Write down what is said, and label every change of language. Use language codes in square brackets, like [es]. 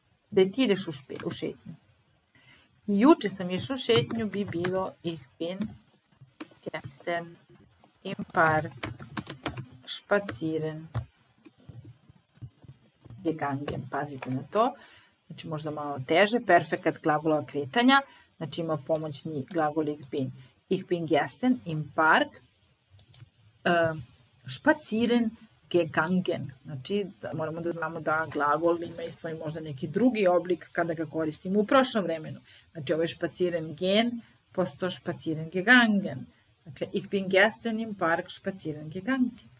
[sr] Gde ti ideš u šetnju? Juče sam išao u šetnju, bi bilo [de] ich bin gestern im Park spazieren gegangen. [sr] Pazite na to. Znači možda malo teže. Perfekat glagola kretanja. Znači ima pomoćni glagol [de] ich bin. Ich bin gestern im Park spazieren gegangen. [sr] Znači, da, moramo da znamo da glagol ima i svoj možda neki drugi oblik kada ga koristimo u prošlom vremenu. Znači, ovo je [de] spazieren gehen, [sr] posto spazieren gegangen. [de] Dakle, ich bin gestern im Park spazieren gegangen.